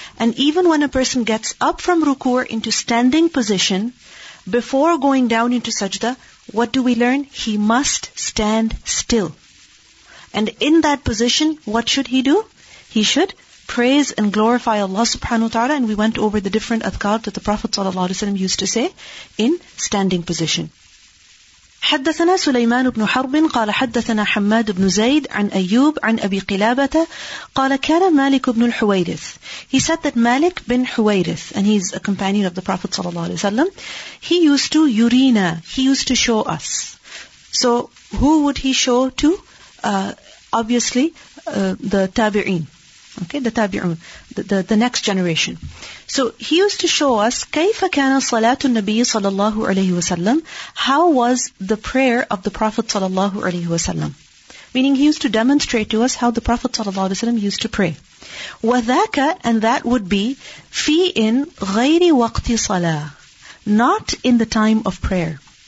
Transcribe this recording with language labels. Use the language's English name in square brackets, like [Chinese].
[English] And even when a person gets up from ruku' into standing position, before going down into sajda, what do we learn? He must stand still. And in that position, what should he do? He should praise and glorify Allah subhanahu wa ta'ala. And we went over the different adhkar that the Prophet sallallahu alaihi wasallam used to say in standing position. [Arabic] حدثنا سليمان بن حرب قال حدثنا حماد بن زيد عن أيوب عن أبي قلابة قال كان مالك بن الحويرث. [English] He said that Malik bin Huwayrith, and he's a companion of the Prophet صلى الله عليه وسلم, he used to يرينا, he used to show us. So who would he show to? Obviously the تابعين. Okay, the tabi'un, the next generation. So he used to show us [Arabic] كيف كان صلاة النبي صلى الله عليه وسلم. [English] How was the prayer of the Prophet صلى الله عليه وسلم? Meaning he used to demonstrate to us how the Prophet صلى الله عليه وسلم used to pray. وذاك, and that would be [Arabic] في إن غير وقت صلاة, [English] not in the time of prayer.